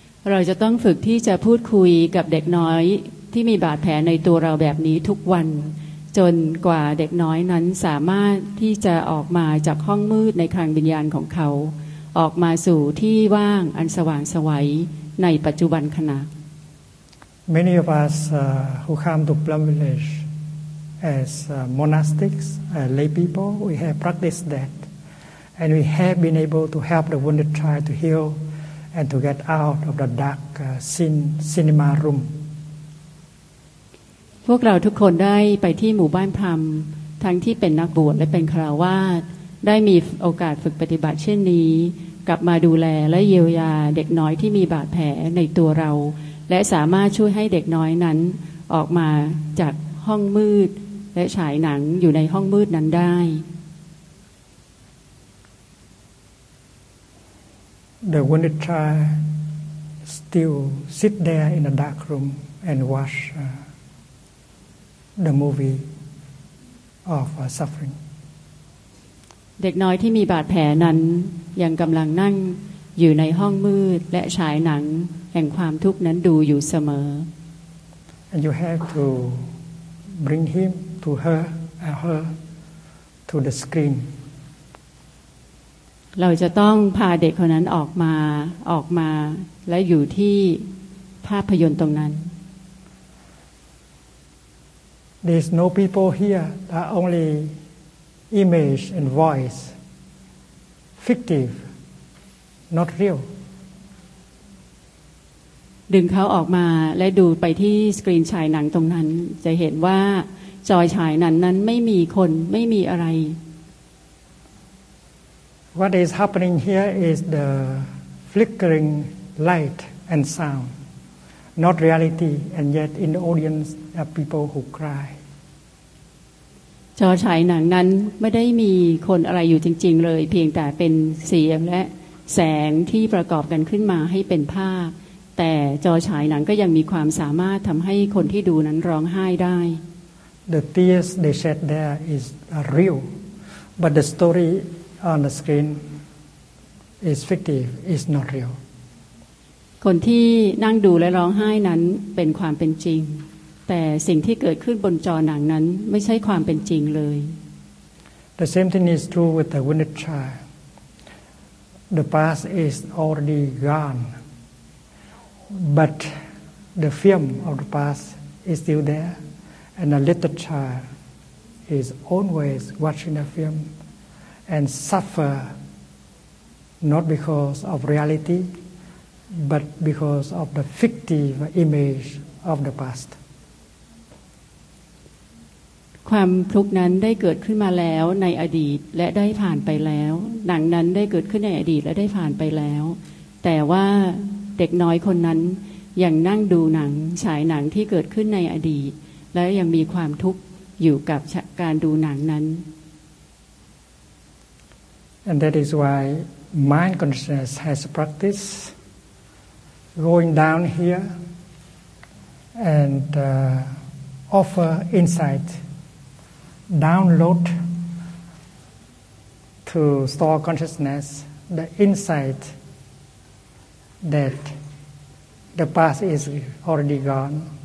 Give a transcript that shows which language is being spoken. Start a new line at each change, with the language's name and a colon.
Thai: เราจะต้องฝึกที่จะพูดคุยกับเด็กน้อยที่มีบาดแผลในตัวเราแบบนี้ทุกวันจนกว่าเด็กน้อยนั้นสามารถที่จะออกมาจากห้องมืดในคลังวิญญาณของเขาออกมาสู่ที่ว่างอันสว่างไสวในปัจจุบันขณะ
English: Many of us who come to Plum Village as monastics, lay people, we have practiced that and we have been able to help the wounded child to heal and to get out of the dark cinema room
Thai: พวกเราทุกคนได้ไปที่หมู่บ้านพรหมทั้งที่เป็นนักบวชและเป็นคฤหัสถ์ได้มีโอกาสฝึกปฏิบัติเช่นนี้กลับมาดูแลและเยียวยาเด็กน้อยที่มีบาดแผลในตัวเราและสามารถช่วยให้เด็กน้อยนั้นออกมาจากห้องมืดและฉายหนังอยู่ในห้องมืดนั้นได้
English: The wounded child still sit there in a dark room and watchThe movie of suffering.
Thai: เด็กน้อยที่มีบาดแผลนั้นยังกำลังนั่งอยู่ในห้องมืดและฉายหนังแห่งความทุกข์นั้นดูอยู่เสมอ
English: And you have to bring him to her or her to the screen.
Thai: เราจะต้องพาเด็กคนนั้นออกมาและอยู่ที่ภาพยนตร์ตรงนั้น
English: There's no people here. There are only image and voice, fictive, not real.
Thai: ดึงเขาออกมาและดูไปที่สกรีนฉายหนังตรงนั้นจะเห็นว่าจอฉายหนังนั้นไม่มีคนไม่มีอะไร
English: What is happening here is the flickering light and sound, not reality, and yet in the audience there are people who cry.
Thai: จอฉายหนังนั้นไม่ได้มีคนอะไรอยู่จริงๆเลยเพียงแต่เป็นเสียงและแสงที่ประกอบกันขึ้นมาให้เป็นภาพแต่จอฉายหนังก็ยังมีความสามารถทำให้คนที่ดูนั้นร้องไห้ได้
English: The tears they shed there is real but the story on the screen is fictive is not real
Thai: คนที่นั่งดูและร้องไห้นั้นเป็นความเป็นจริง แต่สิ่งที่เกิดขึ้นบนจอหนังนั้นไม่ใช่ความเป็นจริงเลย
English: The same thing is true with the wounded child. The past is already gone, but the film of the past is still there, and a little child is always watching the film and suffer not because of reality, but because of the fictive image of the past.
Thai: ความทุกข์นั้นได้เกิดขึ้นมาแล้วในอดีตและได้ผ่านไปแล้วหนังนั้นได้เกิดขึ้นในอดีตและได้ผ่านไปแล้วแต่ว่าเด็กน้อยคนนั้นยังนั่งดูหนังฉายหนังที่เกิดขึ้นในอดีตและยังมีความทุกข์อยู่กับการดูหนังนั้น
English: And that is why mindfulness has practice going down here and offer insightDownload to store consciousness the insight that the past is already gone.